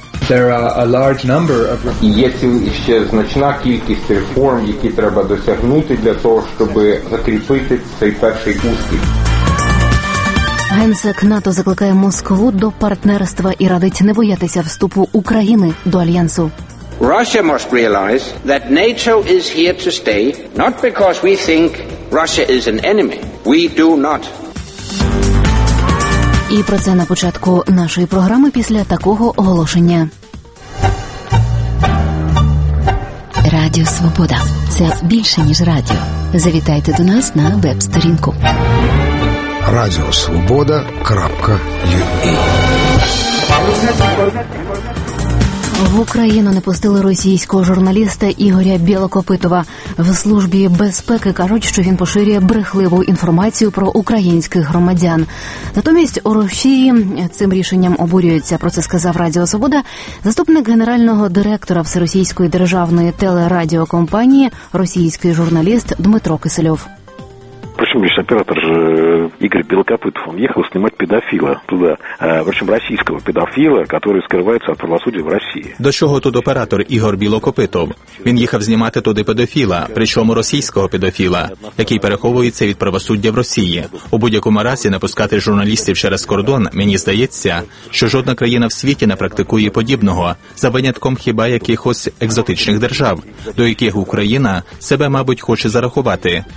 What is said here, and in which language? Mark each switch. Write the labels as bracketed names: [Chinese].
[English] There are a large number of... [Ukrainian] Є ще значна кількість реформ, які треба досягнути для того, щоб закріпити цей перший успіх. Генсек НАТО закликає Москву до партнерства і радить не боятися вступу України до альянсу. [English] Russia must realize that NATO is here to stay, not because we think Russia is an enemy. We do not. [Ukrainian] І про це на початку нашої програми після такого оголошення. Радіо Свобода – це більше, ніж радіо. Завітайте до нас на веб-сторінку. radiosvoboda.ua В Україну не пустили російського журналіста Ігоря Білокопитова. В Службі безпеки кажуть, що він поширює брехливу інформацію про українських громадян. Натомість у Росії цим рішенням обурюється, про це сказав Радіо Свобода, заступник генерального директора Всеросійської державної телерадіокомпанії, російський журналіст Дмитро Кисельов. [Russian] Причем лишь оператор же Игорь Белокопытов, он ехал снимать педофила туда, причем российского педофила, который скрывается от правосудия в России. [Ukrainian] До чого тут оператор Ігор Білокопитов? Він їхав знімати туди педофіла, причому російського педофіла, який переховується від правосуддя в Росії. У будь-якому разі напускати журналістів через кордон, мені здається, що жодна країна в світі не практикує подібного, за винятком хіба якихось екзотичних держав, до яких Україна себе, мабуть, хоче зарахувати.